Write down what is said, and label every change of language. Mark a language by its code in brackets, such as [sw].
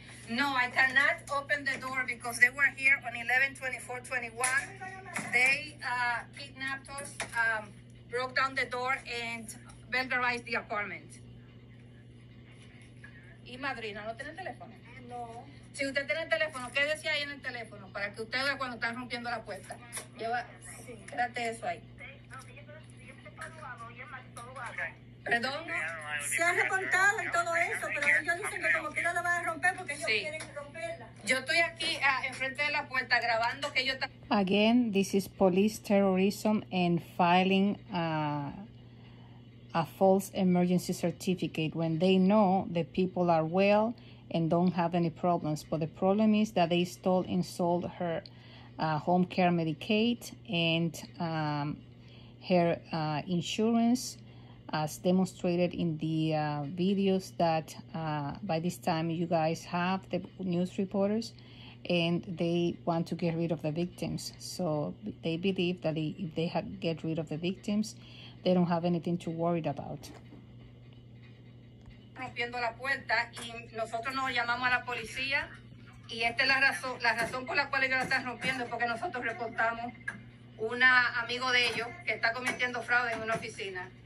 [en] No, I cannot open the door because they were here on 11/24/21. They kidnapped us, broke down the door, and burglarized the apartment. [es] ¿Y madrina no tiene teléfono? No. Si usted tiene el teléfono, ¿qué decía ahí en el teléfono? Para que usted vea cuando están rompiendo la puerta. Lleva, sí. Espérate eso ahí. ¿Perdón? Se ha recontado en todo eso, pero ellos dicen que como quiera la van a romper porque ellos quieren romperla. Yo estoy aquí enfrente de la puerta grabando que ellos están... [en] Again, this is police terrorism and filing a false emergency certificate when they know the people are well and don't have any problems. But the problem is that they stole and sold her home care Medicaid and her insurance, as demonstrated in the videos that by this time you guys have, the news reporters, and they want to get rid of the victims. So they believe that if they had get rid of the victims, they don't have anything to worry about. [es] Rompiendo la puerta y nosotros nos llamamos a la policía y esta es la razón por la cual ellos la están rompiendo, porque nosotros reportamos un amigo de ellos que está cometiendo fraude en una oficina.